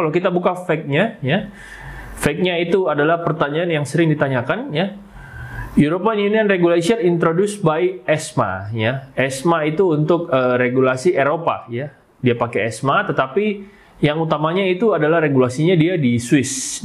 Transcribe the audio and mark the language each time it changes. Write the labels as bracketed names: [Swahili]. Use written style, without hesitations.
[Indonesian] Kalau kita buka fact-nya, ya, fact-nya itu adalah pertanyaan yang sering ditanyakan, ya. [English] European Union Regulation introduced by ESMA, ya. [Indonesian] ESMA itu untuk regulasi Eropa, ya. Dia pakai ESMA, tetapi yang utamanya itu adalah regulasinya dia di Swiss.